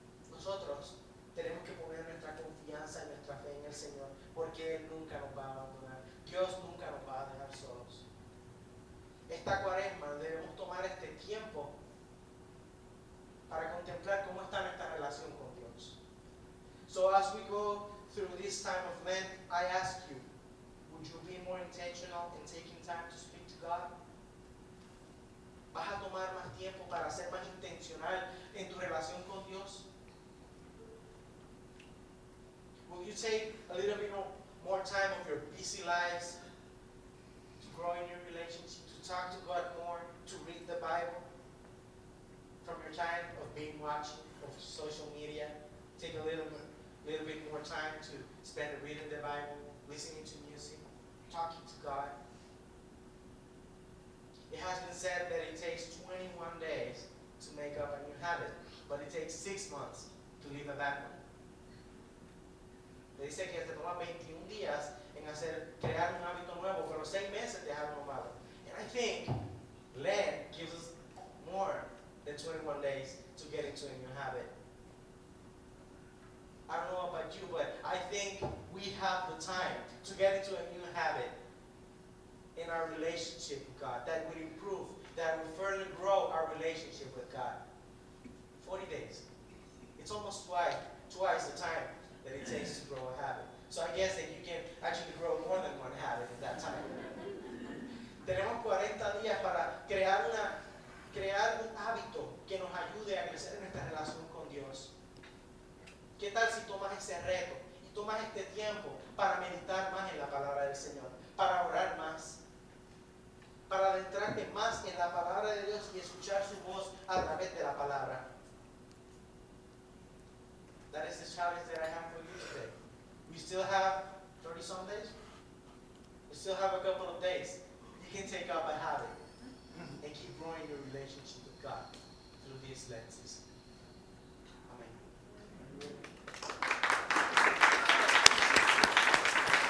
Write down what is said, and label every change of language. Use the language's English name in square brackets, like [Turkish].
[Spanish] Nosotros tenemos que poner nuestra confianza y nuestra fe en el Señor, porque Él nunca nos va a abandonar. Dios nunca nos va a dejar solos. Esta cuaresma, debemos tomar este tiempo para contemplar cómo está nuestra relación con Dios. [English] So as we go through this time of Lent, I ask you, would you be more intentional in taking time to speak to God? [Spanish] ¿Vas a tomar más tiempo para ser más intencional en tu relación con Dios? [English] Will you take a little bit more time of your busy lives to grow in your relationship, to talk to God more, to read the Bible? From your time of being watching of social media, take a little bit more time to spend reading the Bible, listening to music, talking to God. It has been said that it takes 21 days to make up a new habit, but it takes 6 months to leave a bad one. [Spanish] Le dice que se toma 21 días en hacer crear un hábito nuevo, pero 6 meses de hábito malo. [English] And I think Lent gives us more than 21 days to get into a new habit. I don't know about you, but I think we have the time to get into a new habit in our relationship with God that will improve, that will further grow our relationship with God. 40 days. It's almost twice the time that it takes to grow a habit. So I guess that you can actually grow more than one habit in that time. [Spanish] Tenemos 40 días para crear un hábito que nos ayude a crecer en nuestra relación con Dios. ¿Qué tal si tomas ese reto y tomas este tiempo para meditar más en la palabra del Señor, para orar más, para adentrarte más en la palabra de Dios y escuchar su voz a través de la palabra? [English] That is the challenge that I have for you today. We still have 30 some days. We still have a couple of days. You can take up a habit and keep growing your relationship with God through these lenses. Amen.